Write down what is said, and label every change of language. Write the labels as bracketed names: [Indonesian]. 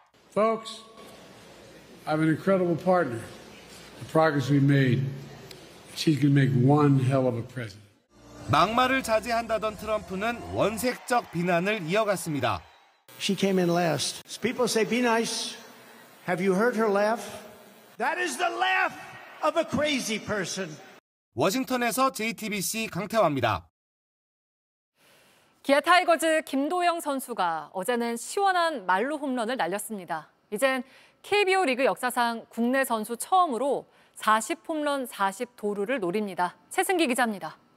[English] Folks, I'm an incredible partner. The progress we made, she can make one hell of a president. [Korean] 막말을 자제한다던 트럼프는 원색적 비난을 이어갔습니다. [English] She came in last. People say be nice. Have you heard her laugh? That is the laugh of a crazy person. [Korean] 워싱턴에서 JTBC 강태화입니다. 기아 타이거즈 김도영 선수가 어제는 시원한 말루 홈런을 날렸습니다. 이젠 KBO 리그 역사상 국내 선수 처음으로 40홈런 40도루를 노립니다. 최승기 기자입니다.